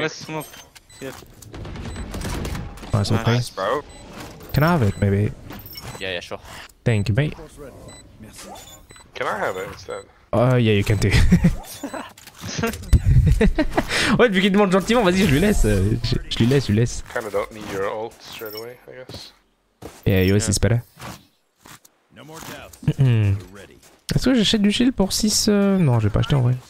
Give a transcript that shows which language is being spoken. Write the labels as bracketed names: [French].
[English] Let's smoke. Yeah. Oh, that's nice. Okay. Nice, bro. Can I have it, maybe? Yeah, sure. Thank you, mate. Can I have it instead? Yeah, you can too. [French] Ouais, vu qu'il demande gentiment, vas-y, je lui laisse. [English] Kinda don't need your ult straight away, I guess. Yeah, yours is better. No more doubt. [French] Est-ce que j'achète du shield pour 6 Non, je vais pas acheter en vrai.